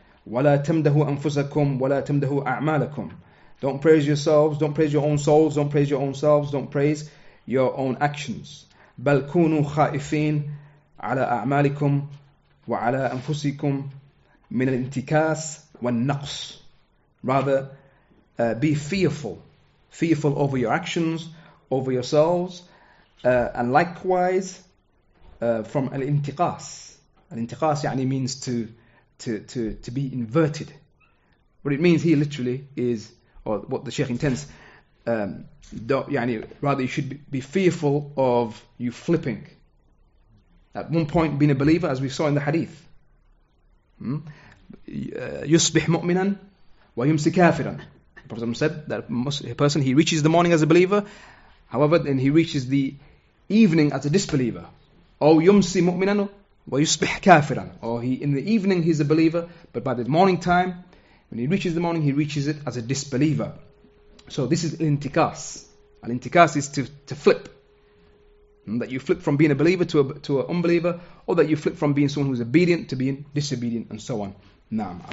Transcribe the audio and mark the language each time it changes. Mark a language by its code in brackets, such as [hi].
[ar] ولا تمدحوا أنفسكم ولا تمدحوا أعمالكم. [en] Don't praise yourselves, don't praise your own souls, don't praise your own selves, don't praise your own actions. [ar] بَلْ كُونُوا خَائِفِينَ عَلَىٰ أَعْمَالِكُمْ وَعَلَىٰ أَنفُسِكُمْ مِنَ الْإِنْتِكَاسِ وَالنَّقْصِ. [en] Rather, be fearful. Fearful over your actions, over yourselves. And likewise, from al-intiqas. Al-intiqas يعني means to be inverted. What it means here literally is, or what the Shaykh intends, يعني rather you should be fearful of you flipping. At one point being a believer, as we saw in the hadith. [ar] يصبح مؤمنا ويمسي كافرا. [en] The Prophet said that a person, he reaches the morning as a believer, however then he reaches the evening as a disbeliever. [ar] أو يمسي مؤمنا ويصبح كافرا. [en] Or he, in the evening he's a believer, but by the morning time, when he reaches the morning, he reaches it as a disbeliever. So this is intikas. Al-intikas is to flip. That you flip from being a believer to an unbeliever, or that you flip from being someone who's obedient to being disobedient, and so on. Naam.